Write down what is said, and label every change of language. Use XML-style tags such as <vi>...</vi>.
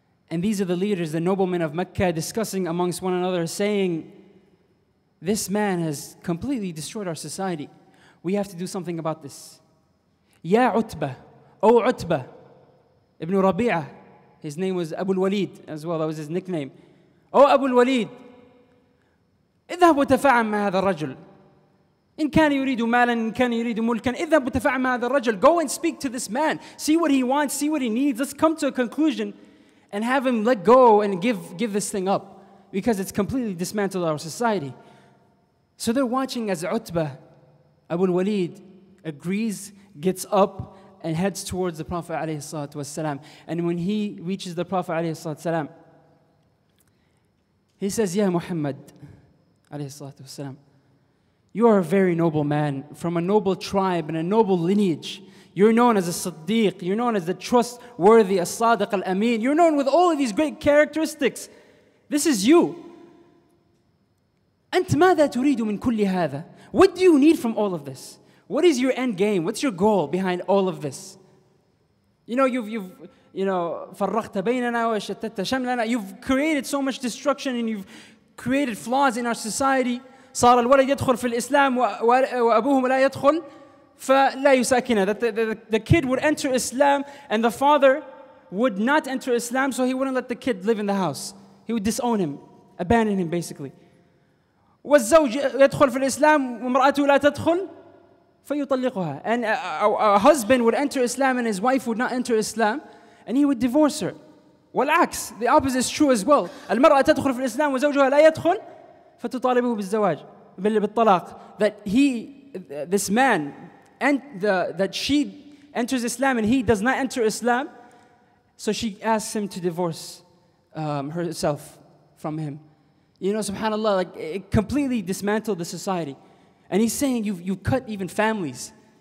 <en>And these are the leaders, the noblemen of Mecca, discussing amongst one another, saying, "This man has completely destroyed our society. We have to do something about this." Ya Utbah, O Utbah, Ibn Rabi'ah, his name was Abu al-Walid as well, that was his nickname.</en> <ar>Oh, Abu al-Walid, اذهب وتفاعل مع هذا الرجل. إن كان يريد مالا إن كان يريد ملكا اذهب وتفاعل مع هذا الرجل.</ar> <en>Go and speak to this man. See what he wants, see what he needs. Let's come to a conclusion and have him let go and give this thing up, because it's completely dismantled our society. So they're watching as Utbah, Abu al-Walid, agrees, gets up, and heads towards the Prophet alayhi salatu wasalam. And when he reaches the Prophet alayhi salatu wasalam, he says, "Ya Muhammad alayhi salatu wasalam, you are a very noble man from a noble tribe and a noble lineage. You're known as a Siddiq. You're known as the trustworthy, a Sadiq al-Amin. You're known with all of these great characteristics. This is you.</en> <ar>أنت ماذا تريد من كل هذا?</ar> <en>What do you need from all of this? What is your end game? What's your goal behind all of this?" You know, you've</en> <ar>فرقت بيننا وشتت شملنا.</ar> <en>You've created so much destruction and you've created flaws in our society.</en> <ar>صار الولد يدخل في الإسلام وأبوه لا يدخل فلا يساكنه.</ar> <en>The kid would enter Islam and the father would not enter Islam, so he wouldn't let the kid live in the house. He would disown him, abandon him, basically.</en> <ar>والزوج يدخل في الإسلام ومرأته لا تدخل فيطلقها.</ar> <en>And a husband would enter Islam and his wife would not enter Islam, and he would divorce her.</en> <ar>والعكس,</ar> <en>the opposite is true as well.</en> <ar>المرأة تدخل في الإسلام وزوجها لا يدخل فتطالبه بالزواج بالطلاق.</ar> <en>That he, this man, and that she enters Islam and he does not enter Islam, so she asks him to divorce herself from him. You know, subhanAllah, like, it completely dismantled the society. And he's saying, you've cut even families.</en>